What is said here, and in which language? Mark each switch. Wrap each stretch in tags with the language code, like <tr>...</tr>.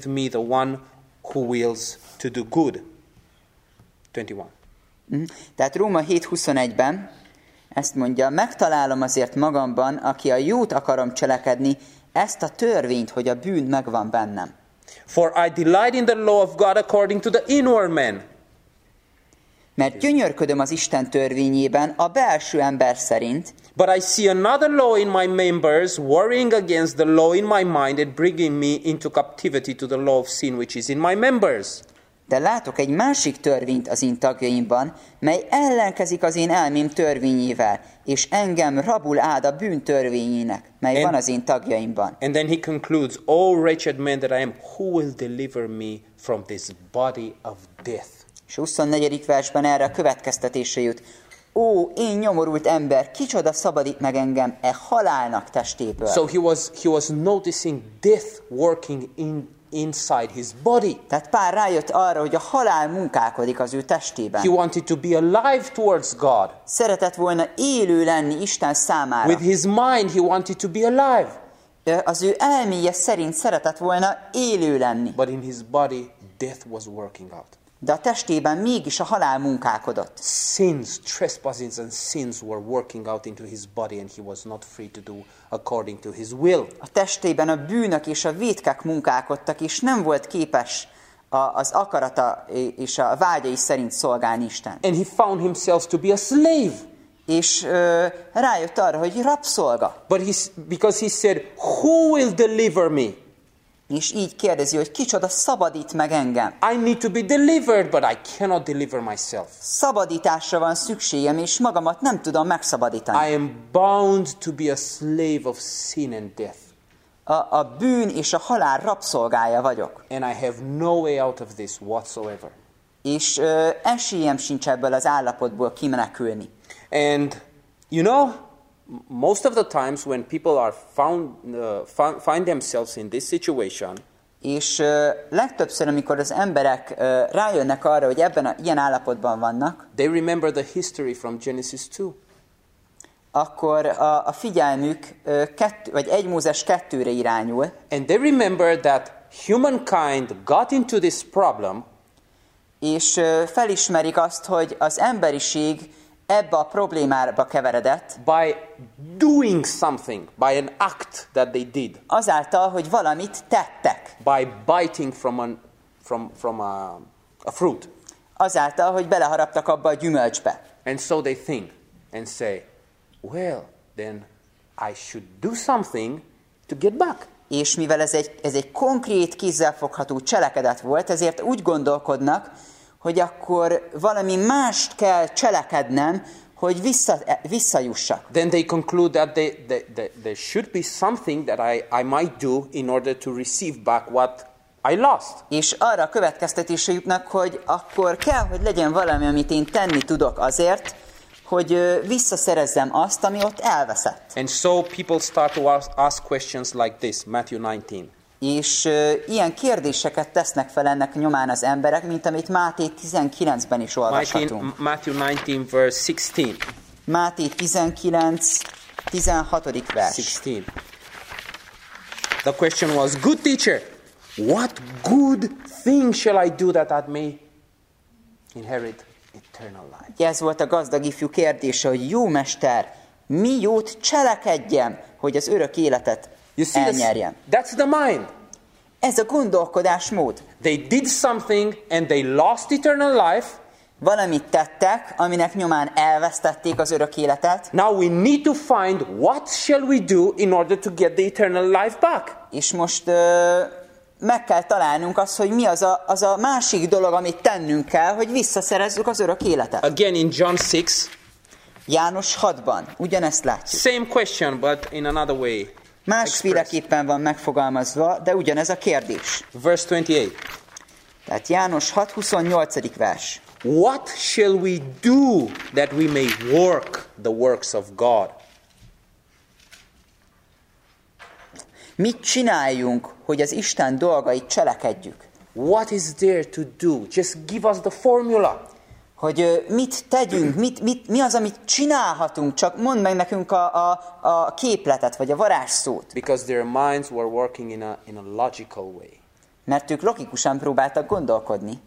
<en>The one who wills to do good. 21.</en> <hu>Tehát Róma 7:21-ben ezt mondja, megtalálom azért magamban, aki a jót akarom cselekedni, ezt a törvényt, hogy a bűn megvan bennem.</hu> <en>For I delight in the law of God according to the inward man.</en> <hu>Mert gyönyörködöm az Isten törvényében a belső ember szerint.</hu> <en>But I see another law in my members, warring against the law in my mind and bringing me into captivity to the law of sin which is in my members.</en> <hu>De látok egy másik törvényt az én tagjaimban, mely ellenkezik az én elmém törvényével, és engem rabul áld a bűn törvényének, mely van az én tagjaimban.</hu> <en>And then he concludes, O wretched man that I am, who will deliver me from this body of death?</en> <hu>És 24. versben erre a következtetése jut. Ó, én nyomorult ember, kicsoda szabadít meg engem e halálnak testéből.</hu> <en>So he was noticing death working inside his body.</en> <hu>Tehát Pál rájött arra, hogy a halál munkálkodik az ő testében.</hu> <en>He wanted to be alive towards God.</en> <hu>Szeretett volna élő lenni Isten számára.</hu> <en>With his mind he wanted to be alive.</en> <hu>Az ő elméje szerint szeretett volna élő lenni.</hu> <en>But in his body death was working out.</en> <hu>De a testében mégis a halál munkálkodott.</hu> <en>Sins, trespasses and sins were working out into his body and he was not free to do according to his will.</en> <hu>A testében a bűnök és a vétkek munkálkodtak, és nem volt képes az akarata és a vágyai szerint szolgálni Isten.</hu> <en>And he found himself to be a slave.</en> <hu>És rájött arra, hogy rabszolga.</hu> <en>But because he said, who will deliver me?</en> <hu>És így kérdezi, hogy kicsoda szabadít meg engem.</hu> <en>I need to be delivered, but I cannot deliver myself.</en> <hu>Szabadításra van szükségem, és magamat nem tudom megszabadítani.</hu> <en>I am bound to be a slave of sin and death.</en> <hu>A bűn és a halál rabszolgája vagyok.</hu> <en>And I have no way out of this whatsoever.</en> <hu>És esélyem sincs ebből az állapotból kimenekülni.</hu> <en>And you know, most of the times when people are find themselves in this situation,</en> <hu>és legtöbbször, amikor az emberek rájönnek arra, hogy ebben a ilyen állapotban vannak,</hu> <en>they remember the history from Genesis 2.</en> <hu>Akkor a figyelmük egy Mózes 2-re irányul.</hu> <en>And they remember that humankind got into this problem,</en> <hu>és felismerik azt, hogy az emberiség ebbe a problémába keveredett.</hu> <en>By doing something, by an act that they did.</en> <hu>Azáltal, hogy valamit tettek.</hu> <en>By biting from a fruit.</en> <hu>Azáltal, hogy beleharaptak abba a gyümölcsbe.</hu> <en>And so they think and say, well, then I should do something to get back.</en> <hu>És mivel ez egy konkrét kézzelfogható cselekedet volt, ezért úgy gondolkodnak, hogy akkor valami mást kell cselekednem, hogy visszajussak.</hu> <en>Then they conclude that there should be something that I might do in order to receive back what I lost.</en> <hu>És arra a következtetésre jutnak, hogy akkor kell, hogy legyen valami, amit én tenni tudok azért, hogy visszaszerezzem azt, ami ott elveszett.</hu> <en>And so people start to ask questions like this, Matthew 19.</en> <hu>És ilyen kérdéseket tesznek fel ennek nyomán az emberek, mint amit Máté 19-ben is olvashatunk.</hu> <en>Matthew 19, verse 16.</en> <hu>Máté 19, 16. vers. 16.</hu> <en>The question was, good teacher, what good thing shall I do that I may inherit eternal life?</en> <hu>Ez volt a gazdag ifjú kérdése, hogy jó mester, mi jót cselekedjem, hogy az örök életet</hu> <en>you see,</en> <hu>elnyerjem.</hu> <en>That's the mind.</en> <hu>Ez a gondolkodás mód.</hu> <en>They did something and they lost eternal life.</en> <hu>Valamit tettek, aminek nyomán elvesztették az örök életet.</hu> <en>Now we need to find what shall we do in order to get the eternal life back.</en> <hu>És most meg kell találnunk azt, hogy mi az a másik dolog, amit tennünk kell, hogy visszaszerezzük az örök életet.</hu> <en>Again in John 6.</en> <hu>János 6-ban ugyanezt látjuk.</hu> <en>Same question, but in another way.</en> <hu>Másféleképpen van megfogalmazva, de ugyanez a kérdés.</hu> <en>Verse 28.</en> <hu>Tehát János 6:28. vers.</hu> <en>What shall we do that we may work the works of God?</en> <hu>Mit csináljunk, hogy az Isten dolgait cselekedjük?</hu> <en>What is there to do? Just give us the formula.</en> <hu>Hogy mit tegyünk, mi az, amit csinálhatunk, csak mondd meg nekünk a képletet, vagy a varázsszót.</hu> <en>Because their minds were working in a logical way.</en> <hu>Mert ők logikusan próbáltak gondolkodni.</hu>